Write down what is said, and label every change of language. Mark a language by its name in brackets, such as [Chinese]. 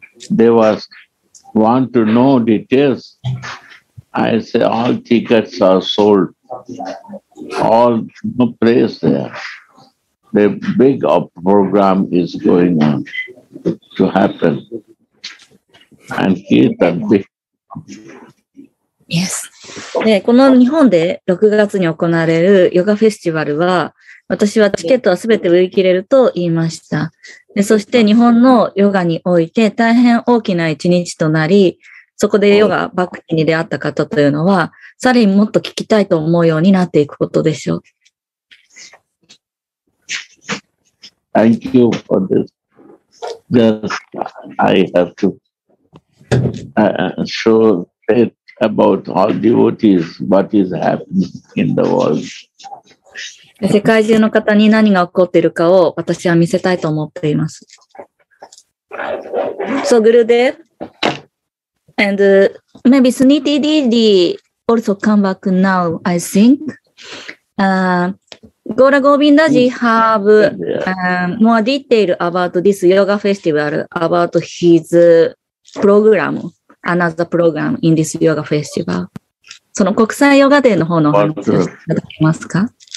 [English] They want to know details. I say all tickets are sold. All, no place there. the big program is going on to happen. And he's the big. Yes. [Japanese] で、この日本で6月に行われるヨガフェスティバルは、私はチケットはすべて売り切れると言いました。で、そして日本のヨガにおいて大変大きな一日となり、そこでヨガバクティに出会った方というのは、さらにもっと聞きたいと思うようになっていくことでしょう。 [English] Thank you for this. Just, I have to show faithabout all devotees, what is happening in the world. [Japanese] 世界中の方に何が起こっているかを私は見せたいと思っています。 [English] So, Gurudev, and maybe Suniti Didi also come back now, I think. Gaura Govindaji have more detail about this yoga festival, about his program. Another program in this yoga festival. [Japanese] その国際ヨガデーの方の話をしていただけますか？